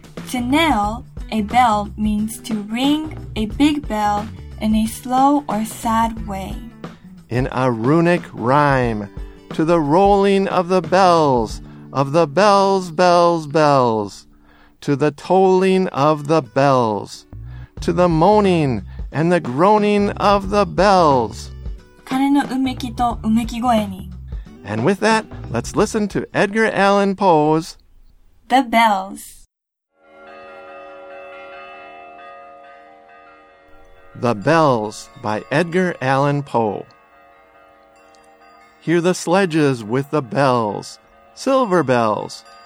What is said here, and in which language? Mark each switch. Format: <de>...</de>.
<en>To knell a bell means to ring a big bell in a slow or sad way. In a runic rhyme, to the rolling of the bells, bells, bells, to the tolling of the bells, to the moaning and the groaning of the bells.</en> <ja>鐘のうめきとうめき声に</ja> <en>And with that, let's listen to Edgar Allan Poe's The Bells. The Bells by Edgar Allan Poe. Hear the sledges with the bells, silver bells.</en>